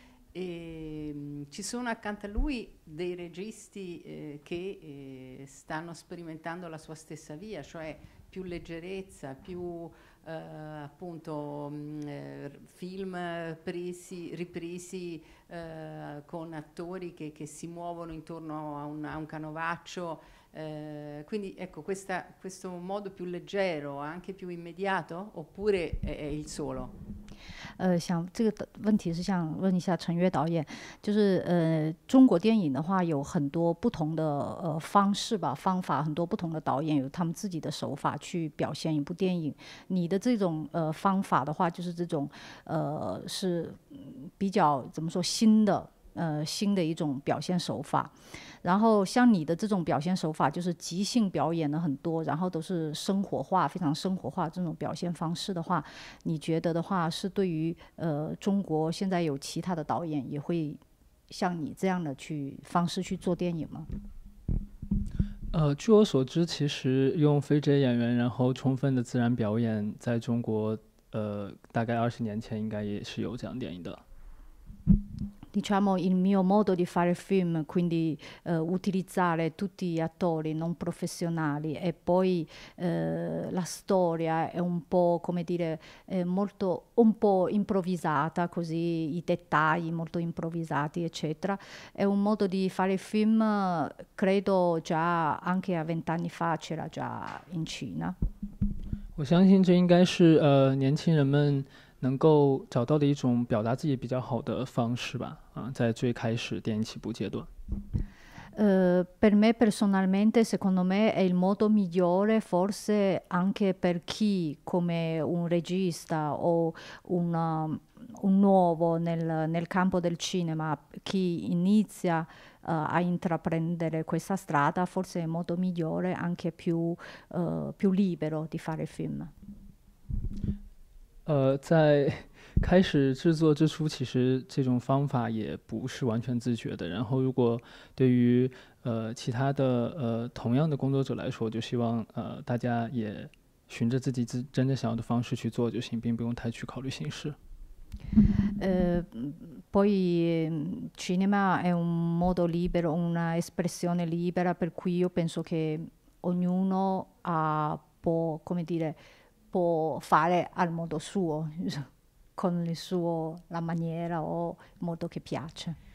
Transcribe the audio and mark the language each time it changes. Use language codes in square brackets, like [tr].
[it] E ci sono accanto a lui dei registi che stanno sperimentando la sua stessa via, cioè più leggerezza, più appunto film ripresi con attori che si muovono intorno a un canovaccio. Quindi ecco, questo modo più leggero, anche più immediato, oppure è il solo? [zh] 想这个问题是想问一下陈悦导演，就是中国电影的话有很多不同的方式吧，方法，很多不同的导演有他们自己的手法去表现一部电影。你的这种方法的话，就是这种是比较怎么说新的。新的一种表现手法，然后像你的这种表现手法就是即兴表演的很多，然后都是生活化，非常生活化这种表现方式的话，你觉得的话是对于中国现在有其他的导演也会像你这样的去方式去做电影吗？据我所知，其实用非职业演员然后充分的自然表演在中国大概20年前应该也是有这样电影的。 [it] Diciamo il mio modo di fare film, quindi utilizzare tutti gli attori non professionali e poi la storia è un po', come dire, molto, un po' improvvisata, così i dettagli molto improvvisati, eccetera. È un modo di fare film, credo già anche a 20 anni fa c'era già in Cina. [zh] 我相信这应该是年轻人们能够找到的一种表达自己比较好的方式吧，在最开始电影起步阶段。 [it] Per me personalmente, secondo me è il modo migliore, forse anche per chi come un regista o un nuovo nel campo del cinema, chi inizia a intraprendere questa strada, forse è il modo migliore, anche più libero di fare film. [zh] 在开始制作之初，其实这种方法也不是完全自觉的。然后如果对于其他的同样的工作者来说，就希望大家也循着自己真正想要的方式去做就行，并不用太去考虑形式。 [it] Poi cinema è un modo libero, una espressione libera, per cui io penso che ognuno ha può, come dire, può fare al modo suo, con il suo, la maniera o il modo che piace.